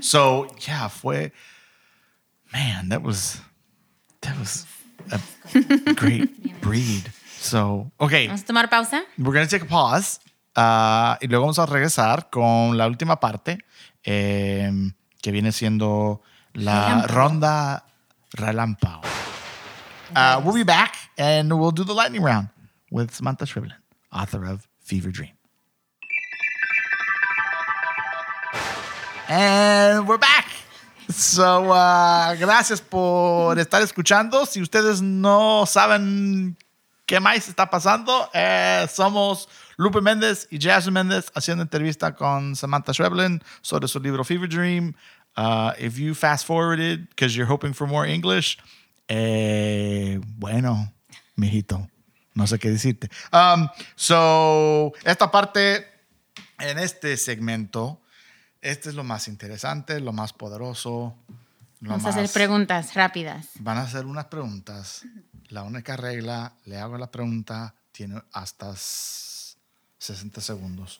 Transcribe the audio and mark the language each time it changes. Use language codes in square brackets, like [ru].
[en] So, yeah, fue, man, that was a great breed. So, okay. [es] Vamos a tomar pausa. [en] We're going to take a pause. [es] Y luego vamos a regresar con la última parte, que viene siendo la ronda relámpago. [en] We'll be back and we'll do the lightning round with Samantha Schweblin, author of Fever Dream. And we're back. So, [es] gracias por estar escuchando. Si ustedes no saben qué más está pasando, somos Lupe Mendez y Jasmine Mendez haciendo entrevista con Samantha Schweblin sobre su libro Fever Dream. [en] If you fast forwarded because you're hoping for more English, [es] bueno, mijito. No sé qué decirte. So, esta parte, en este segmento, este es lo más interesante, lo más poderoso. Vamos a hacer preguntas rápidas. Van a hacer unas preguntas. La única regla, le hago la pregunta, tiene hasta 60 segundos.